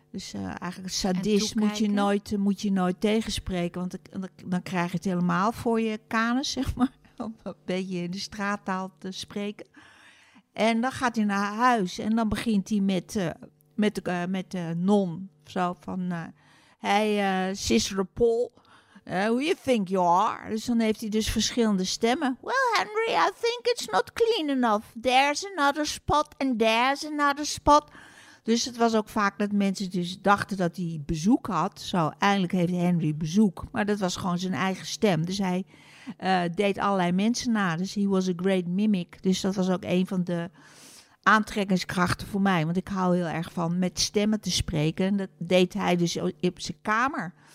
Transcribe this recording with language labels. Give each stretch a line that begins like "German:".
Dutch: Dus eigenlijk sadist moet je nooit tegenspreken. Want dan krijg je het helemaal voor je kanen, zeg maar. Om een beetje in de straattaal te spreken. En dan gaat hij naar huis. En dan begint hij met de non. Zo van,
English: Sister Paul, who you think you are?
Dutch: Dus dan heeft hij dus verschillende stemmen.
English: Well, Henry, I think it's not clean enough. There's another spot and there's another spot.
Dutch: Dus het was ook vaak dat mensen dus dachten dat hij bezoek had. Zo, eindelijk heeft Henry bezoek. Maar dat was gewoon zijn eigen stem. Dus hij deed allerlei mensen na. Dus
English: he was a great mimic.
Dutch: Dus dat was ook een van de aantrekkingskrachten voor mij. Want ik hou heel erg van met stemmen te spreken. En dat deed hij dus op zijn kamer.